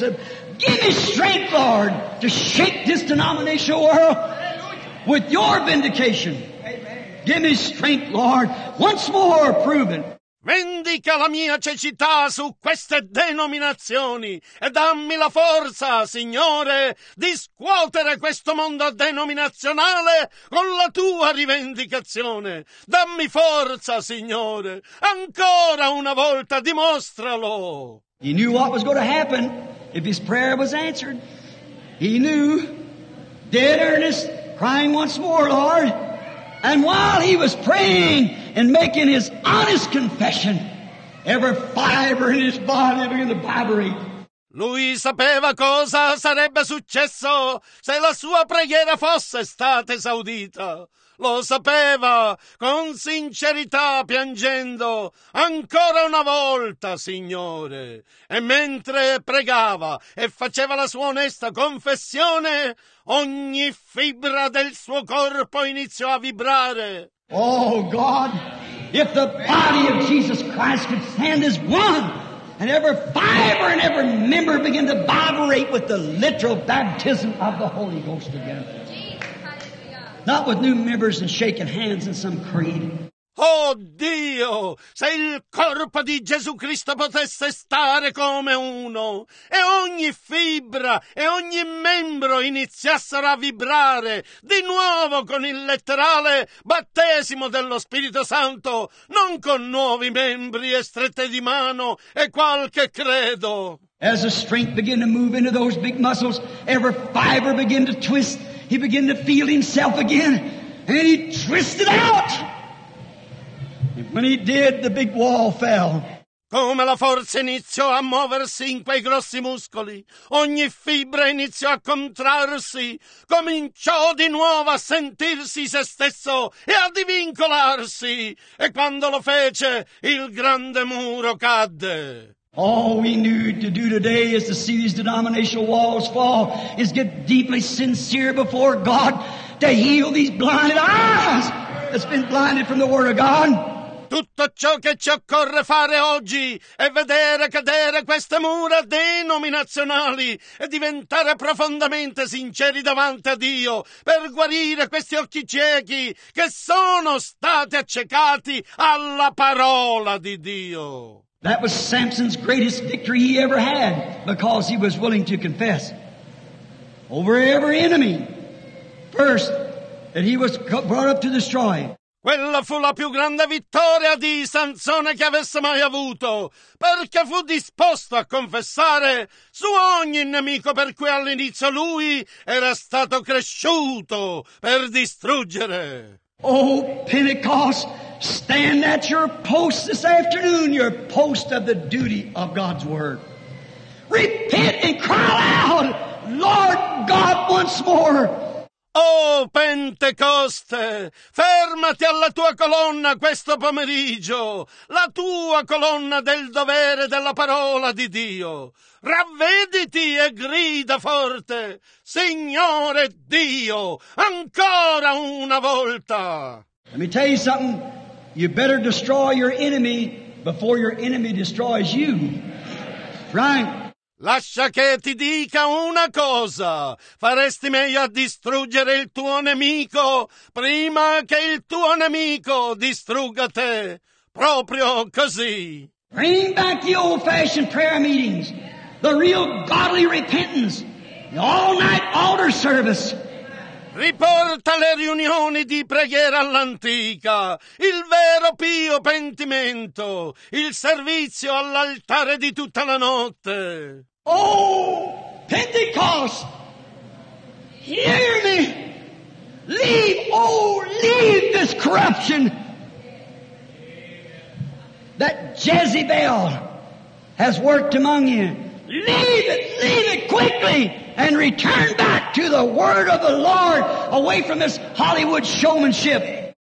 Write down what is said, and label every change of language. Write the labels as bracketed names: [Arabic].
[English] Give me strength, Lord, to shake this denominational world with your vindication. Amen. Give me strength, Lord, once more proven. [Italian] Vendica la mia cecità su queste denominazioni e dammi la forza, Signore, di scuotere questo mondo denominazionale con la tua rivendicazione. Dammi forza, Signore, ancora una volta dimostralo. [English] He knew what was going to happen if his prayer was answered. He knew, dead earnest, crying once more, Lord. And while he was praying and making his honest confession, every fiber in his body began to vibrate. [Italian] Lui sapeva cosa sarebbe successo se la sua preghiera fosse stata esaudita. Lo sapeva con sincerità, piangendo ancora una volta, Signore. E mentre pregava e faceva la sua onesta confessione, ogni fibra del suo corpo iniziò a vibrare. [English] Oh God, if the body of Jesus Christ could stand as one, and every fiber and every member begin to vibrate with the literal baptism of the Holy Ghost again. Not with new members and shaking hands in some creed. [Italian] Oh Dio, se il corpo di Gesù Cristo potesse stare come uno e ogni fibra e ogni membro iniziassero a vibrare di nuovo con il letterale battesimo dello Spirito Santo, non con nuovi membri e strette di mano e qualche credo. [English] As the strength began to move into those big muscles, every fiber began to twist. He began to feel himself again, and he twisted out. And when he did, the big wall fell. [Italian] Come la forza iniziò a muoversi in quei grossi muscoli, ogni fibra iniziò a contrarsi, cominciò di nuovo a sentirsi se stesso e a divincolarsi. E quando lo fece, il grande muro cadde. [English] All we need to do today is to see these denominational walls fall, is get deeply sincere before God to heal these blinded eyes that's been blinded from the Word of God. [Italian] Tutto ciò che ci occorre fare oggi è vedere cadere queste mura denominazionali e diventare profondamente sinceri davanti a Dio per guarire questi occhi ciechi che sono stati accecati alla parola di Dio. [English] That was Samson's greatest victory he ever had, because he was willing to confess over every enemy first that he was brought up to destroy. [Italian] Quella fu la più grande vittoria di Sansone che avesse mai avuto, perché fu disposto a confessare su ogni nemico per cui all'inizio lui era stato cresciuto per distruggere. [English] Oh, Pentecost, stand at your post this afternoon, your post of the duty of God's Word. Repent and cry out, Lord God, once more. [Italian] Oh, Pentecoste, fermati alla tua colonna questo pomeriggio, la tua colonna del dovere della parola di Dio. Ravvediti e grida forte, Signore Dio, ancora una volta. [English] Let me tell you something. You better destroy your enemy before your enemy destroys you. Right? [Italian] Lascia che ti dica una cosa. Faresti meglio a distruggere il tuo nemico prima che il tuo nemico distrugga te. Proprio così. [English] Bring back the old-fashioned prayer meetings. The real godly repentance. The all-night altar service. [Italian] Riporta le riunioni di preghiera all'antica, il vero pio pentimento, il servizio all'altare di tutta la notte. [English] Oh, Pentecost, hear me, leave this corruption that Jezebel has worked among you. Leave it quickly and return back to the word of the Lord, away from this Hollywood showmanship.